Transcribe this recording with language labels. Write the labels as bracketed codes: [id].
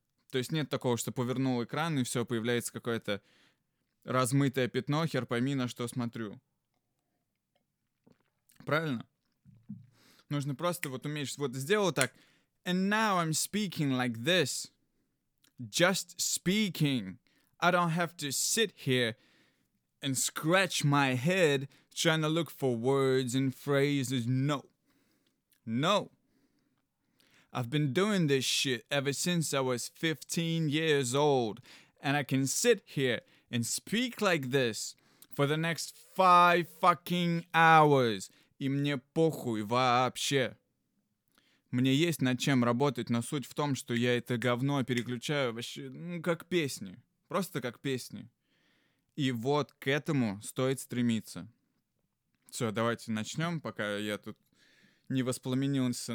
[ru] То есть нет такого, что повернул экран, и все, появляется какое-то размытое пятно, хер пойми, на что смотрю. Правильно? Нужно просто вот уметь, вот сделал так, [en] and now I'm speaking like this. Just speaking. I don't have to sit here and scratch my head trying to look for words and phrases. No. No. I've been doing this shit ever since I was 15 years old. And I can sit here and speak like this for the next 5 fucking hours. [ru] И мне похуй вообще. Мне есть над чем работать, но суть в том, что я это говно переключаю вообще, ну, как песни. Просто как песни. И вот к этому стоит стремиться. Все, давайте начнем, пока я тут не воспламенился.